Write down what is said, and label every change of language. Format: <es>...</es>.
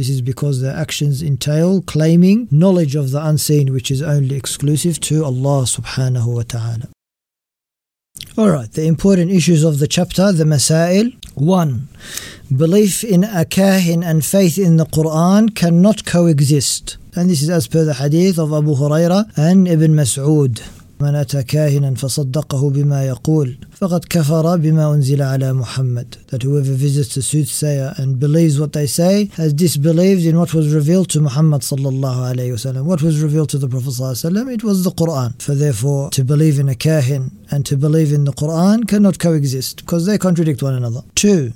<en>This is because their actions entail claiming knowledge of the unseen, which is only exclusive to Allah subhanahu wa ta'ala. Alright, the important issues of the chapter, the masail. 1. Belief in a kahin and faith in the Quran cannot coexist. And this is as per the hadith of Abu Huraira and Ibn Mas'ud.</en> <ar>من أتى كاهنا فصدقه بما يقول فقد كفر بما أنزل على محمد.</ar> <en>That whoever visits the soothsayer and believes what they say has disbelieved in what was revealed to Muhammad صلى الله عليه وسلم. What was revealed to the Prophet صلى الله عليه وسلم? It was the Quran. For therefore, to believe in a kahin and to believe in the Quran cannot coexist, because they contradict one another. 2.</en>